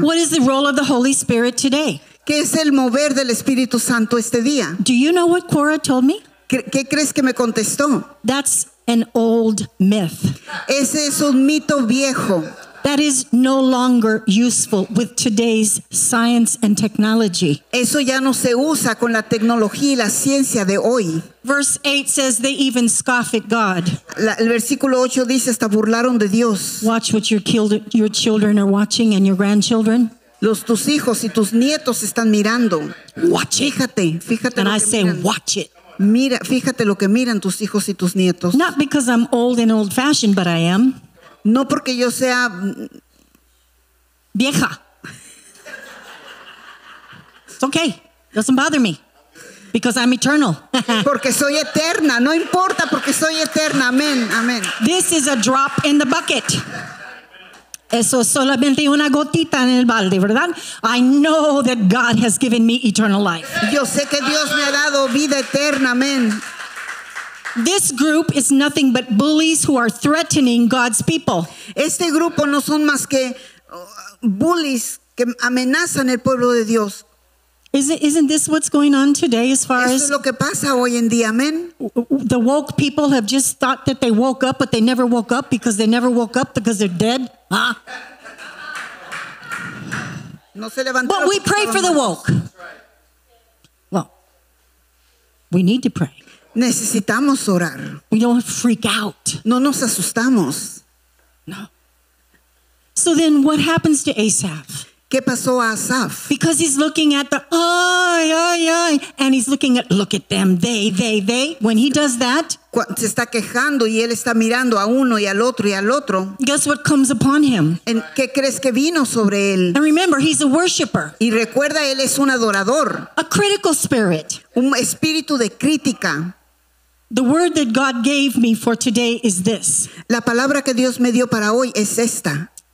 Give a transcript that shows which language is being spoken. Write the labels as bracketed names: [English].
[English] What is the role of the Holy Spirit today? [Spanish] ¿Qué es el mover del Espíritu Santo este día? [English] Do you know what Quora told me? [Spanish] ¿Qué crees que me contestó? [English] That's an old myth. [Spanish] Ese es un mito viejo. [English] That is no longer useful with today's science and technology. [Spanish] Eso ya no se usa con la tecnología y la ciencia de hoy. [English] Verse 8 says they even scoff at God. [Spanish] El versículo 8 dice hasta burlaron de Dios. [English] Watch what your children are watching and your grandchildren. [Spanish] Los tus hijos y tus nietos están mirando. [English] Watch it. [Spanish] Fíjate. [English] And I say, watch it. [Spanish] Mira, fíjate lo que miran tus hijos y tus nietos. [English] Not because I'm old and old-fashioned, but I am. [Spanish] No porque yo sea vieja. [English] It's okay. Doesn't bother me. Because I'm eternal. [Spanish] Porque soy eterna. No importa porque soy eterna. Amén. Amén. [English] This is a drop in the bucket. [Spanish] Eso es solamente una gotita en el balde, ¿verdad? [English] I know that God has given me eternal life. [Spanish] Yo sé que Dios me ha dado vida eterna. Amén. [English] This group is nothing but bullies who are threatening God's people. [Spanish] Este grupo no son más que bullies que amenazan el pueblo de Dios. [English] Isn't this what's going on today as far as... [Spanish] Eso es lo que pasa hoy en día, amen. [English] The woke people have just thought that they woke up, but they never woke up because they never woke up because they're dead. Huh? [Spanish] No se levantaron. [English] But we pray for the woke. Well, we need to pray. [Spanish] Necesitamos orar. [English] We don't freak out. [Spanish] No nos asustamos. [English] No. So then what happens to Asaph? [Spanish] ¿Qué pasó a Asaph? [English] Because he's looking at the ay, ay, ay, and he's looking at, look at them, they. When he does that, [Spanish] se está quejando y él está mirando a uno y al otro y al otro. [English] Guess what comes upon him? [Spanish] ¿En qué crees que vino sobre él? [English] And remember, he's a worshiper. [Spanish] Y recuerda, él es un adorador. [English] A critical spirit. [Spanish] Un espíritu de crítica. [English] The word that God gave me for today is this. [Spanish] La palabra que Dios me dio para hoy es esta.